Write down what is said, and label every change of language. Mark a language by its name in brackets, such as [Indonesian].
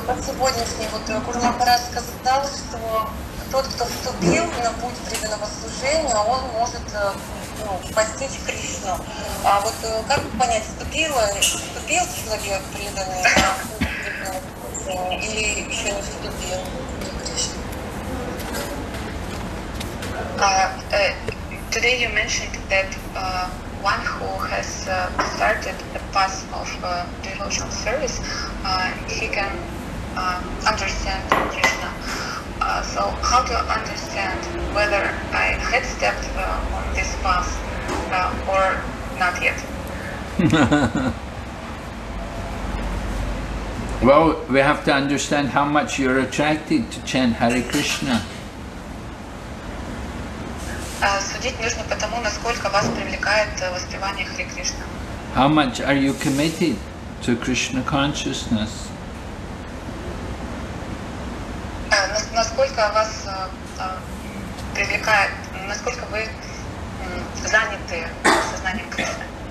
[Russian] Как сегодняшний вот Гуру Махарадж сказал, что тот, кто вступил на путь преданного служения, он может постичь Кришну. А вот как понять, вступил человек преданный на путь преданного служения или еще не вступил на Кришну? [English] Today you mentioned that one who has started a path of devotional service, he can understand Krishna. So how to understand whether I had stepped on this path or not yet? Well, we have to understand how much you're attracted to chant Hare Krishna. [Russian] Судить нужно по тому, насколько вас привлекает воспевание Хари Кришна. [English] How much are you committed to Krishna consciousness? [Russian] Насколько вас привлекает, насколько вы заняты сознанием Кришны?